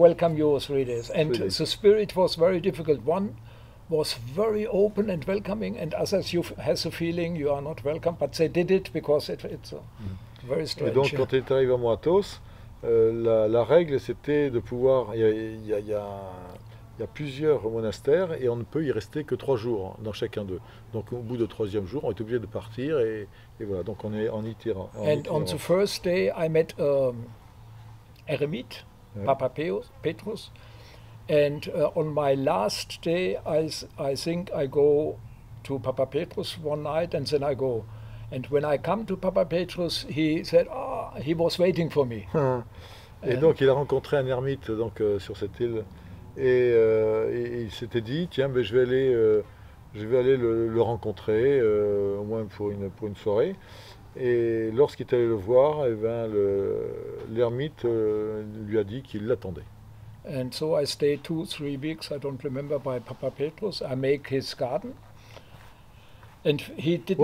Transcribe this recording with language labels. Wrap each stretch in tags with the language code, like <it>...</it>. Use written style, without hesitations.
<en>welcome you for 3 days, and 3 days. the spirit was very difficult. One was very open and welcoming, and others you has a feeling you are not welcome, but they did it because it's very</en> <fr>Et donc,</fr> <en>strange.</en> <fr>quand il est arrivé à Mont-Athos, la règle, c'était de pouvoir. Il y a plusieurs monastères et on ne peut y rester que 3 jours dans chacun d'eux. Donc, au bout du troisième jour, on est obligé de partir et voilà. Donc, on est en</fr> <en>And on the</en> <fr>itinérance.</fr> <en>first day, I met Eremite, Papa Petrus. And on my last day, I think I go to Papa Petrus one night, and then I go. And when I come to Papa Petrus, he said, oh, he was waiting for me.</en> <fr>Et</fr> <en>And</en> <fr>donc il a rencontré un ermite donc sur cette île et il s'était dit tiens mais je vais aller le rencontrer au moins pour une soirée et lorsqu'il est allé le voir et eh ben l'ermite lui a dit qu'il l'attendait.</fr> <en>And so I stayed 2 3 weeks, I don't remember, by Papa Petrus. I make his garden, and he didn't</en>